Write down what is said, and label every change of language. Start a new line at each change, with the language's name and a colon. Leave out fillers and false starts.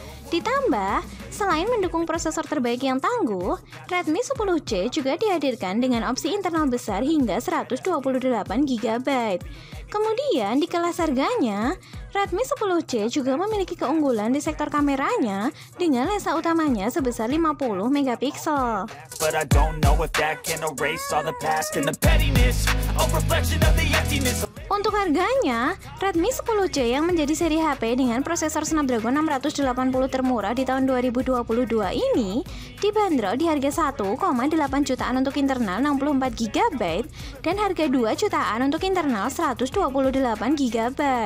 Indonesian: Ditambah, selain mendukung prosesor terbaik yang tangguh, Redmi 10C juga dihadirkan dengan opsi internal besar hingga 128GB. Kemudian, di kelas harganya, Redmi 10C juga memiliki keunggulan di sektor kameranya dengan lensa utamanya sebesar 50MP.
English: But I don't know if that can erase all the past and the pettiness, a reflection of the emptiness.
Indonesian: Untuk harganya, Redmi 10C yang menjadi seri HP dengan prosesor Snapdragon 680 termurah di tahun 2022 ini dibanderol di harga 1,8 jutaan untuk internal 64GB dan harga 2 jutaan untuk internal 128GB.